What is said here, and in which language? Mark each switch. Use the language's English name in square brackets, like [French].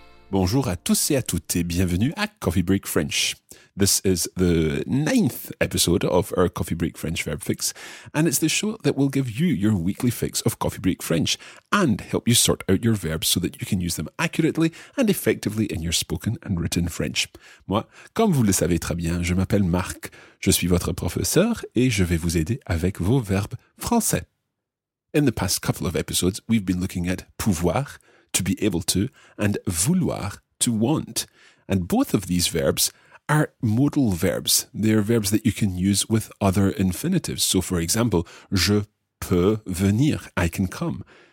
[French] Bonjour à tous et à toutes, et bienvenue à Coffee Break French. [English] This is the 9th episode of our Coffee Break French Verb Fix, and it's the show that will give you your weekly fix of Coffee Break French and help you sort out your verbs so that you can use them accurately and effectively in your spoken and written French. [French] Moi, comme vous le savez très bien, je m'appelle Marc, je suis votre professeur et je vais vous aider avec vos verbes français. [English] In the past couple of episodes, we've been looking at pouvoir, to be able to, and vouloir, to want. And both of these verbs are modal verbs. They're verbs that you can use with other infinitives. So for example, [French] je peux venir, [English] I can come.